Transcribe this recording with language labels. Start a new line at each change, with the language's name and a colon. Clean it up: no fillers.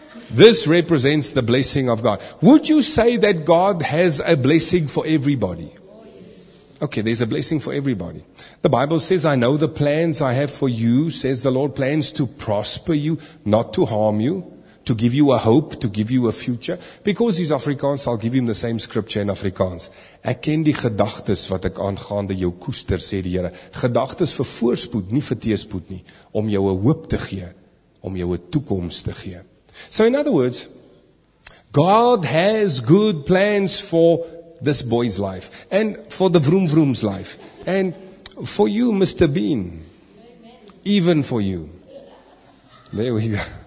English: This represents the blessing of God. Would you say that God has a blessing for everybody? Okay, there's a blessing for everybody. The Bible says, I know the plans I have for you, says the Lord, plans to prosper you, not to harm you, to give you a hope, to give you a future. Because he's Afrikaans, I'll give him the same scripture in Afrikaans.
Afrikaans: Ek ken die gedagtes wat ek aangaande jou koester, sê die Here. Gedagtes vir voorspoed, nie vir teespoed nie. Om jou 'n hoop te gee, om jou 'n toekoms te gee.
English: So in other words, God has good plans for this boy's life, and for the Vroom Vroom's life, and for you, Mr. Bean, even for you. There we go.